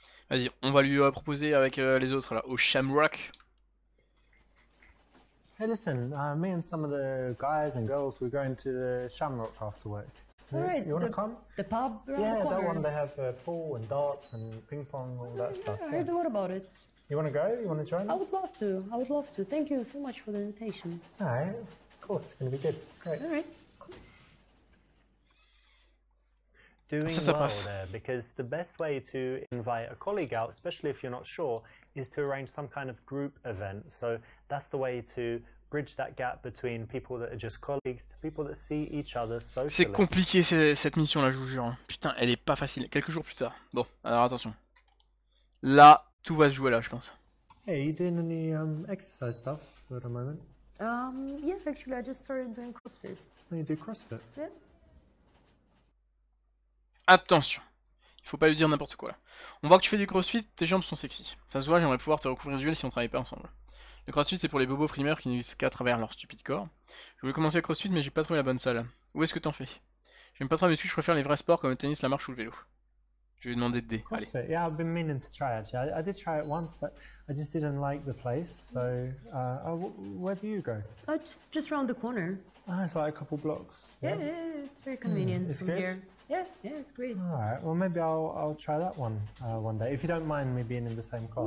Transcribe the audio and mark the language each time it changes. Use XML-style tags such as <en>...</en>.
<fr>Vas-y, on va lui proposer avec les autres là, au Shamrock.</fr> <en>Hey, listen, me and some of the guys and girls, we're going to the Shamrock after work. Alright, you wanna come? The pub? Yeah, that one they have pool and darts and ping pong, all that stuff. Yeah, I heard a lot about it. You wanna go? You wanna join us? I would love to. Thank you so much for the invitation. Alright, of course, it's gonna be good. Great. Alright.</en> <fr>Ça passe.</fr> <en>Because the best way to invite a colleague out, especially if you're not sure, is to arrange some kind of group event. So that's the way to bridge that gap between people that are just colleagues to people that see each other socially.</en> <fr>C'est compliqué cette mission là, je vous jure. Putain, elle est pas facile. Quelques jours plus tard. Bon, alors attention. Là, tout va se jouer là, je pense.</fr> <en>Hey, you doing any exercise stuff for the moment? Yeah, actually, I just started doing CrossFit. Oh, you do CrossFit? Yeah.</en> <fr>Attention, il faut pas lui dire n'importe quoi là. On voit que tu fais du crossfit, tes jambes sont sexy. Ça se voit, j'aimerais pouvoir te recouvrir du gel si on travaille pas ensemble. Le crossfit c'est pour les bobos frimeurs qui ne vivent qu'à travers leur stupide corps. Je voulais commencer le crossfit mais j'ai pas trouvé la bonne salle. Où est-ce que t'en fais? J'aime pas trop les muscles, je préfère les vrais sports comme le tennis, la marche ou le vélo. Je vais demander de dé.</fr> <en>CrossFit, allez. Yeah, I've been meaning to try actually. I did try it once, but I just didn't like the place. So, where do you go? Just around the corner. Ah, it's like a couple blocks. Yeah, it's very convenient it's from good. Here. Yeah, it's great. All right. Well, maybe I'll try that one one day if you don't mind me being in the same class.</en>